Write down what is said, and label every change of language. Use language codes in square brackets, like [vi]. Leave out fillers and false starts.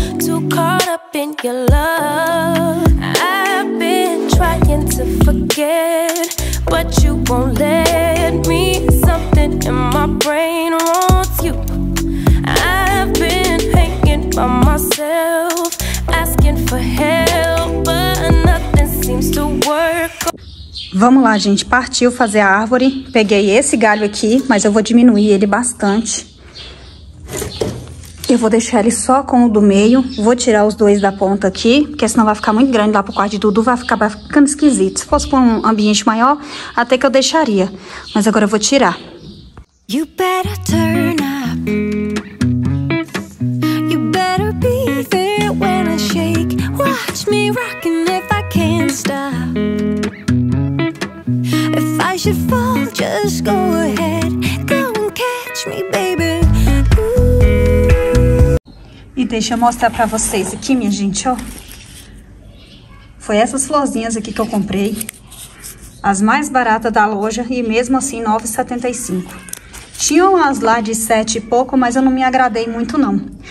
[en] Too caught up in your love. I've been trying to forget, but you won't let me. Something in my brain wants you. I've been hanging by myself, asking for help, but nothing seems to work. [pt] Vamos lá, gente. Partiu fazer a árvore. Peguei esse galho aqui, mas eu vou diminuir ele bastante. Eu vou deixar ele só com o do meio. Vou tirar os dois da ponta aqui, porque senão vai ficar muito grande lá pro quarto de Dudu. Vai ficando esquisito. Se fosse pra um ambiente maior, até que eu deixaria. Mas agora eu vou tirar. [en] You better turn up. You better be there when I shake. Watch me rocking if I can't stop. I should fall, just go ahead, go and catch me, baby. Ooh. [pt] E deixa eu mostrar pra vocês aqui, minha gente, ó. Foi essas florzinhas aqui que eu comprei. As mais baratas da loja e mesmo assim R$ 9,75. Tinham as lá de 7 e pouco, mas eu não me agradei muito, não.